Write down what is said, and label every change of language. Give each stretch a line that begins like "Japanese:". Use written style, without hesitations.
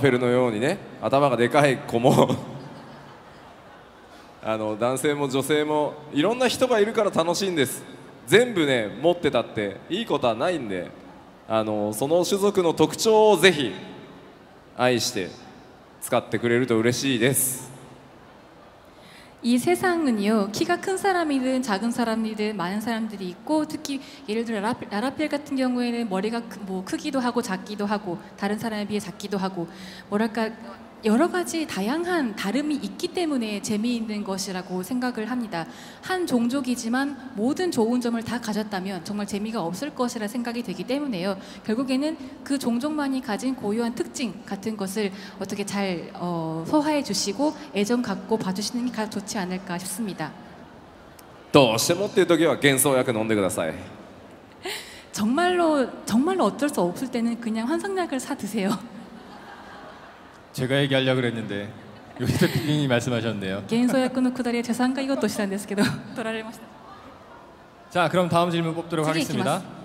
Japanese: この世はね、背が高い人も低い人もララフェルのようにね、頭がでかい子も男性も女性もいろんな人がいるから楽しいんです。全部ね持ってたっていいことはないんで、その種族の特徴をぜひ愛して使ってくれると嬉しいです。
Korean: 이 세상은요, 키가 큰 사람이든 작은 사람이든 많은 사람들이 있고, 특히 예를 들어 라라펠 같은 경우에는 머리가 뭐 크기도 하고 작기도 하고 다른 사람에 비해 작기도 하고 뭐랄까 여러 가지 다양한 다름이 있기 때문에 재미있는 것이라고 생각을 합니다. 한 종족이지만 모든 좋은 점을 다 가졌다면 정말 재미가 없을 것이라 생각이 되기 때문에요. 결국에는 그 종족만이 가진 고유한 특징 같은 것을 어떻게 잘 소화해 주시고 애정 갖고 봐주시는 게 가장 좋지 않을까 싶습니다.
Japanese: どうしてもっていう時は幻想薬飲んでください。
Korean: 정말로 어쩔 수 없을 때는 그냥 환상약을 사 드세요. 제가 얘기하려고 그랬는데 요새 피디님이 말씀하셨네요. 겐소약군의 쿠다리에 재산가 이것도 시작했는데도 돌아가셨습니다. 자, 그럼 다음 질문 뽑도록 하겠습니다.